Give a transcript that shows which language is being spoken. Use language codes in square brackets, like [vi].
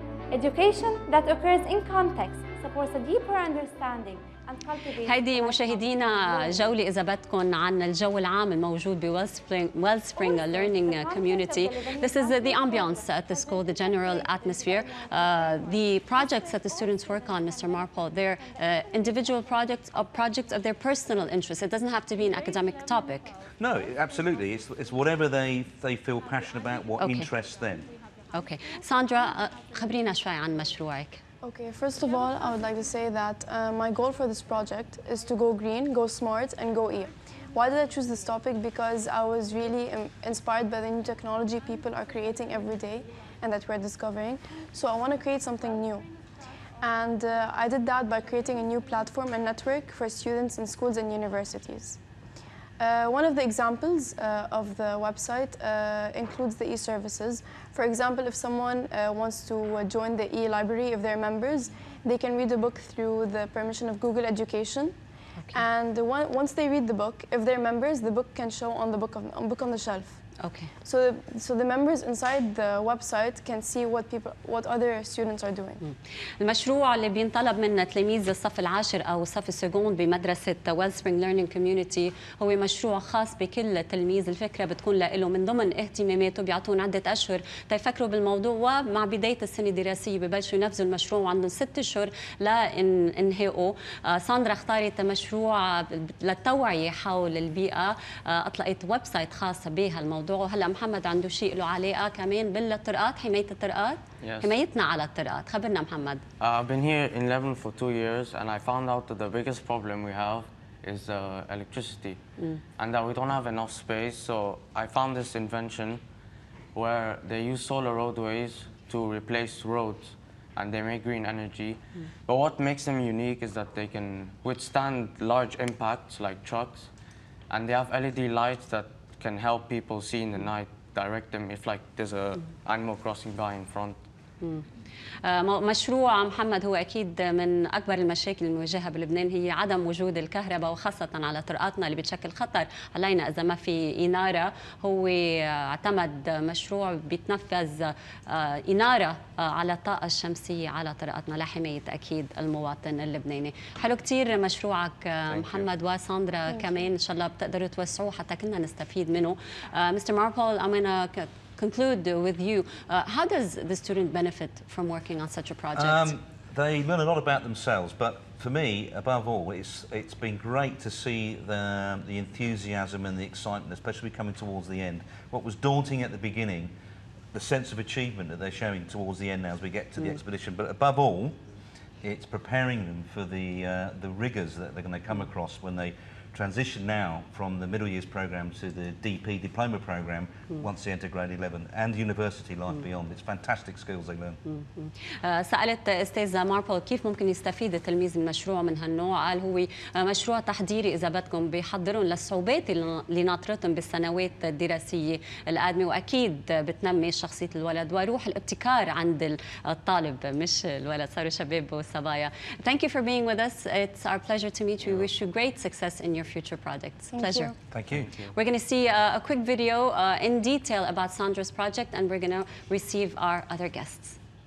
[en] Education that occurs in context supports a deeper understanding. [ar] هيدي مشاهدينا جولة إذا بدكم عن الجو العام الموجود بويل سبرينغ ليرنينج كوميونيتي. [en] This is the ambiance at the school, the general atmosphere. The projects that the students work on, Mr. Marple, they're individual projects, a project of their personal interest. It doesn't have to be an academic topic. No, absolutely. It's whatever they feel passionate about, what okay. interests them. Okay. [ar] Sandra, خبرينا شوي عن مشروعك. [en] Okay, first of all, I would like to say that my goal for this project is to go green, go smart, and go E. Why did I choose this topic? Because I was really inspired by the new technology people are creating every day and that we're discovering. So I want to create something new. And I did that by creating a new platform and network for students in schools and universities. One of the examples of the website includes the e-services. For example, if someone wants to join the e-library of their members, they can read a book through the permission of Google Education. Okay. And once they read the book, if they're members, the book can show on the book on the shelf. Okay. So the members inside the website can see what people, what other students are doing. [ar] المشروع اللي بينطلب منه تلاميذ الصف العاشر أو الصف السجون بمدرسة Wellspring Learning Community هو مشروع خاص بكل تلميذ. الفكرة بتكون له من ضمن اهتماماته، بيعطون عدة أشهر تفكروا بالموضوع، ومع بداية السنة الدراسية ببلشوا ينفذوا المشروع، وعندهم 6 أشهر لإنهائه. ساندرا اختارت مشروع للتوعية حول البيئة، أطلقت ويب سايت خاصة بها الموضوع. هلا محمد عنده شيء له علاقه كمان بالطرقات، حمايه الطرقات. [en] Yes. [ar] حمايتنا على الطرقات، خبرنا محمد. [en] I've been here in Lebanon for 2 years and I found out that the biggest problem we have is electricity. And that we don't have enough space, so I found this invention where they use solar roadways to replace roads and they make green energy. But what makes them unique is that they can withstand large impacts like trucks, and they have LED lights that can help people see in the night, direct them if like there's a animal crossing by in front. [ar] مشروع محمد هو أكيد من أكبر المشاكل المواجهة بلبنان، هي عدم وجود الكهرباء، وخاصة على طرقاتنا اللي بتشكل خطر علينا إذا ما في إنارة. هو اعتمد مشروع بيتنفذ إنارة على الطاقة الشمسية على طرقاتنا لحماية أكيد المواطن اللبناني. حلو كتير مشروعك محمد وساندرا، كمان إن شاء الله بتقدروا توسعوه حتى كنا نستفيد منه. [en] Mister ماربول، conclude with you. How does the student benefit from working on such a project? They learn a lot about themselves, but for me, above all, it's been great to see the enthusiasm and the excitement, especially coming towards the end. What was daunting at the beginning, the sense of achievement that they're showing towards the end now as we get to the expedition. But above all, it's preparing them for the rigors that they're going to come across when they transition now from the middle years program to the DP diploma program once they enter grade 11 and university life beyond. It's fantastic skills they learn. [ar] سألت استاذة ماربول كيف ممكن يستفيد التلميذ من مشروع من هالنوع؟ قال هو مشروع تحضيري اذا بدكم، بيحضرهم للصعوبات اللي ناطرتهم بالسنوات الدراسيه القادمه، واكيد بتنمي شخصيه الولد وروح الابتكار عند الطالب، مش الولد صاروا شباب وصبايا. [en] Thank you for being with us. It's our pleasure to meet you. We wish you great success in your future projects. Pleasure. You. Thank you. We're going to see a quick video in detail about Sandra's project, and we're going to receive our other guests.